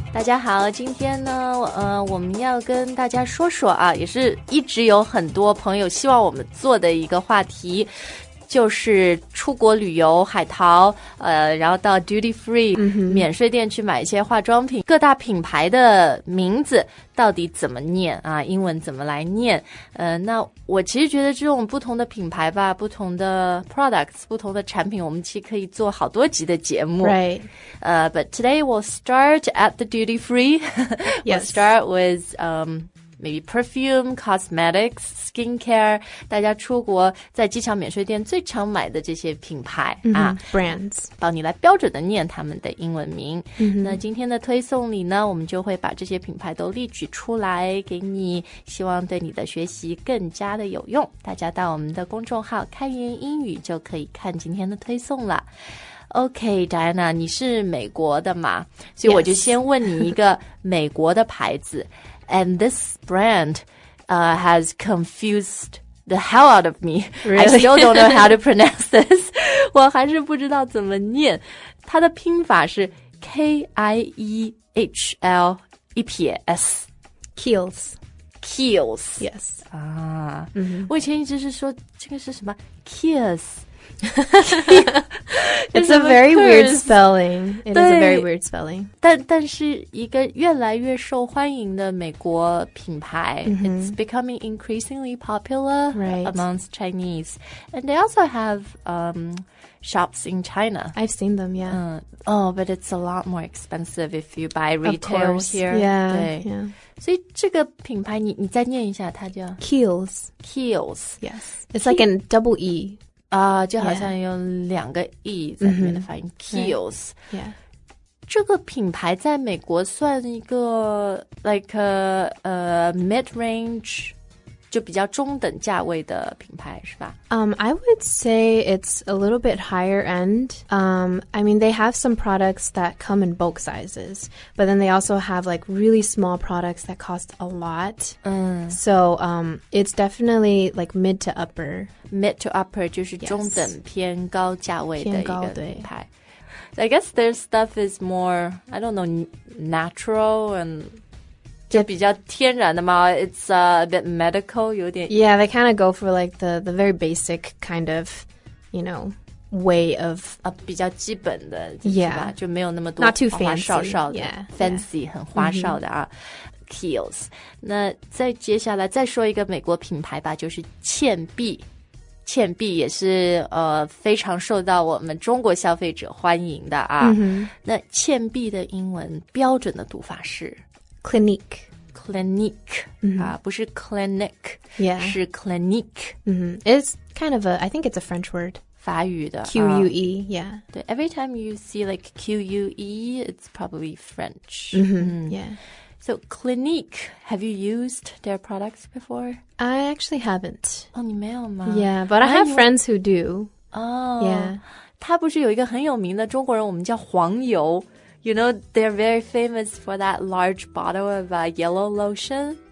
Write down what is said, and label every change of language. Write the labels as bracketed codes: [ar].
[zh] 大家好，今天呢，我们要跟大家说说啊，也是一直有很多朋友希望我们做的一个话题，就是出国旅游、海淘，然后到 duty free、免税店去买一些化妆品，各大品牌的名字到底怎么念啊？英文怎么来念？那我其实觉得这种不同的品牌吧，不同的 products, 不同的产品，我们其实可以做好多集的节目。 [en] Right. But today we'll start at the duty free. Yes. We'll start with maybe perfume, cosmetics, skincare, [zh] 大家出国在机场免税店最常买的这些品牌、 [en] Brands. [zh] 帮你来标准的念他们的英文名。 Mm-hmm. 那今天的推送里呢，我们就会把这些品牌都列举出来给你，希望对你的学习更加的有用。大家到我们的公众号开言英语就可以看今天的推送了。 OK, Diana, 你是美国的嘛？所以我就先问你一个美国的牌子。 [en] Yes. And this brand, has confused the hell out of me. Really? I still don't know how to pronounce this. [zh] 我还是不知道怎么念。它的拼法是 K-I-E-H-L-E-P-S. [en] Kiehl's. Kiehl's. Yes. [zh] 啊、我以前一直是说这个是什么 Kiehl's. [en] It's a very weird spelling. It is a very weird spelling. [zh] 但是一个越来越受欢迎的美国品牌、 [en] It's becoming increasingly popular、 right. amongst Chinese. And they also have、shops in China. I've seen them, yeah.、 But it's a lot more expensive if you buy retail here. Yeah, yeah. [zh] 所以这个品牌你再念一下它叫 [en] Kiehl's. Kiehl's. Yes. It's like a double E. [zh] 就好像有两个 E 在里面的发音、Kiehl's、 [en] yeah. [zh] 这个品牌在美国算一个 [en] like a mid-range [zh] 就比较中等价位的品牌是吧、 [en] I would say it's a little bit higher end、I mean they have some products that come in bulk sizes but then they also have like really small products that cost a lot、so it's definitely like mid to upper Mid to upper [zh] 就是中等偏高价位的一个品牌 [en] I guess their stuff is more, I don't know, natural and [zh] 就比较天然的嘛 [en] It's a bit medical, [zh] 有点 [en] Yeah, they kind of go for like the very basic kind of, you know, way of [zh] 比较基本的 [en] Yeah, [zh] 就没有那么多 [en] Not too fancy [zh] 花哨哨的 [en] yeah, Fancy, yeah. [zh] 很花哨的啊、Kiehl's 那再接下来再说一个美国品牌吧就是倩碧倩碧也是非常受到我们中国消费者欢迎的啊。那倩碧的英文标准的读法是 [en] Clinique. [zh] Clinique.、不是 Clinic. [en] Yeah. [zh] 是 Clinique.、 [en] It's kind of I think it's a French word. [zh] 法语的。 [en] Q-U-E, yeah. 对 every time you see like Q-U-E, it's probably French.、 Yeah. So, Clinique, have you used their products before? I actually haven't. [zh] Oh, 你没有吗? [en] Yeah, but I have friends who do. Oh. Yeah. [zh] 它不是有一个很有名的中国人我们叫黄油? [en] You know, they're very famous for that large bottle of yellow lotion.